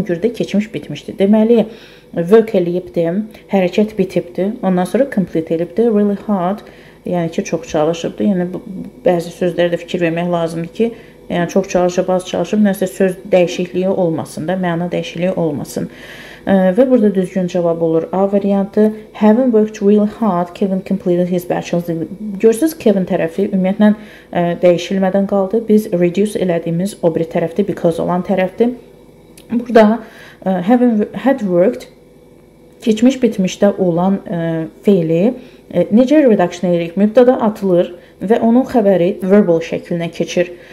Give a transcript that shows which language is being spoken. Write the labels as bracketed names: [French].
[Azerbaijani] Onun gürdə keçmiş bitmişdir. Deməli, work eləyibdir, hərəkət bitibdir. Ondan sonra complete eləyibdir, really hard. Yəni ki, çox çalışıbdır. Yəni, bəzi sözlərdə fikir vermək lazımdır ki, yəni, çox çalışıb, az çalışıb, nəsə söz dəyişikliyi olmasın da, məna dəyişikliyi olmasın. Və burada düzgün cavab olur A variantı. [English] Having worked really hard, Kevin completed his bachelor's degree. [Azerbaijani] Görsünüz, Kevin tərəfi ümumiyyətlə dəyişilmədən qaldı. Biz reduce elədiyimiz o bir tərəfdir, because olan tərəfdir. Burada having had worked, keçmiş bitmişdə olan feili necə redaksiyon edirik? Mübtəda atılır və onun xəbəri verbal şəklinə keçir.